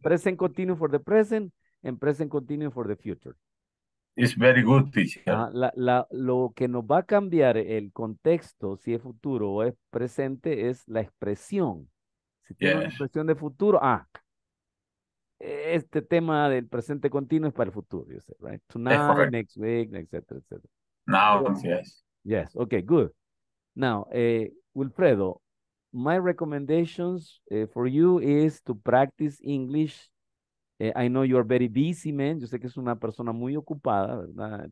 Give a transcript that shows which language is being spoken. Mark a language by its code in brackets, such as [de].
[en] Present continue for the present and present continue for the future. It's very good, teacher. [es] Lo que nos va a cambiar el contexto, si es futuro o es presente, es la expresión. Si tiene una expresión de futuro, este tema del presente continuo es para el futuro, [en] you say, right? Tonight, next week, etc., etc. Now, yes. Yes, okay, good. Now, Wilfredo, my recommendations for you is to practice English. I know you are very busy, man. [es] Yo sé que es una persona muy ocupada, ¿verdad?